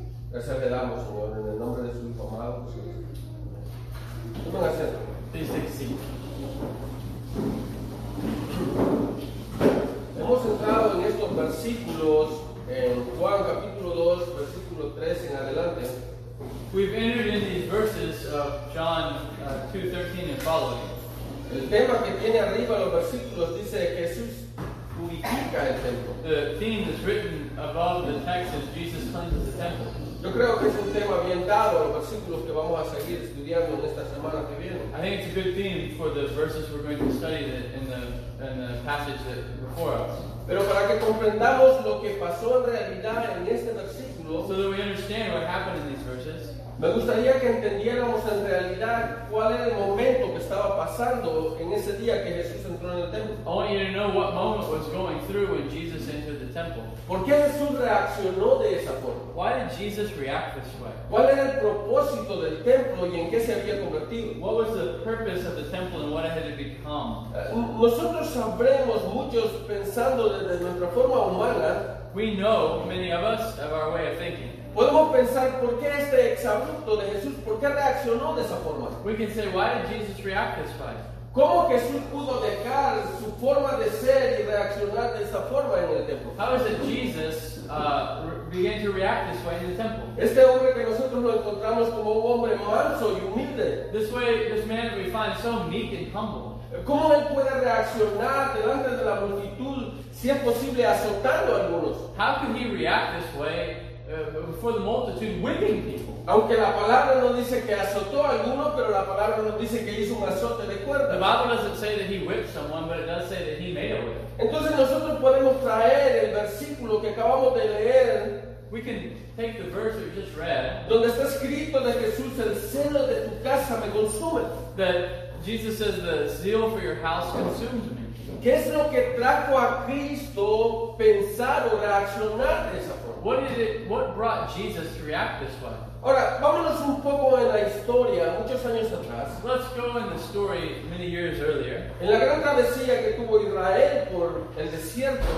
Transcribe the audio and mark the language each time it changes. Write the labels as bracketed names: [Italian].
[Spanish] Gracias le damos, Señor, en el nombre de su Hijo amado, Jesús. Pues, ¿cómo va a ser? Dice que sí. Hemos entrado en estos versículos, en Juan capítulo 2, versículo 3 en adelante. [English] We've entered in these verses of John 2:13 and following. [Spanish] El tema que tiene arriba los versículos dice que Jesús purifica el templo. [English] The theme is written above the text as Jesus cleanses the temple. [Spanish] Yo creo que es un tema bien dado a los versículos que vamos a seguir estudiando en esta semana que viene. [English] I think it's a good theme for the verses we're going to study in the passage that before us. [Spanish] Pero para que comprendamos lo que pasó en realidad en este versículo, [English] so that we understand what happened in these verses, [Spanish] me gustaría que entendiéramos en realidad cuál era el momento que estaba pasando en ese día que Jesús entró en el templo. [English] I want you to know what moment was going through when Jesus entered the temple. [Spanish] ¿Por qué Jesús reaccionó de esa forma? [English] Why did Jesus react this way? [Spanish] ¿Cuál era el propósito del templo y en qué se había convertido? [English] What was the purpose of the temple and what had it become? [Spanish] Nosotros sabremos muchos pensando desde nuestra forma humana. [English] We know, many of us, of our way of thinking. [Spanish] Podemos pensar por qué este exabrupto de Jesús, por qué reaccionó de esa forma. [English] We can say, why did Jesus react this way? [Spanish] ¿Cómo Jesús pudo dejar su forma de ser y reaccionar de esa forma en el templo? [English] How is it Jesus began to react this way in the temple? [Spanish] Este hombre que nosotros lo encontramos como un hombre manso y humilde. [English] This way, this man we find so meek and humble. [Spanish] ¿Cómo él puede reaccionar delante de la multitud si es posible azotando a algunos? [English] How can he react this way before the multitude, whipping people? [Spanish] Aunque la palabra no dice que azotó a alguno, pero la palabra no dice que hizo un azote de cuerda. [English] The Bible doesn't say that he whipped someone, but it does say that he made a whip. [Spanish] Entonces nosotros podemos traer el versículo que acabamos de leer. [English] We can take the verse we just read. [Spanish] Donde está escrito de Jesús, el celo de tu casa me consume. [English] That Jesus says the zeal for your house consumes me. [Spanish] ¿Qué es lo que trajo a Cristo pensar o reaccionar de esa forma? [English] What brought Jesus to react this way? [Spanish] Ahora, vámonos un poco en la historia, muchos años atrás. [English] Let's go in the story many years earlier. [Spanish] En la gran travesía que tuvo Israel por el desierto.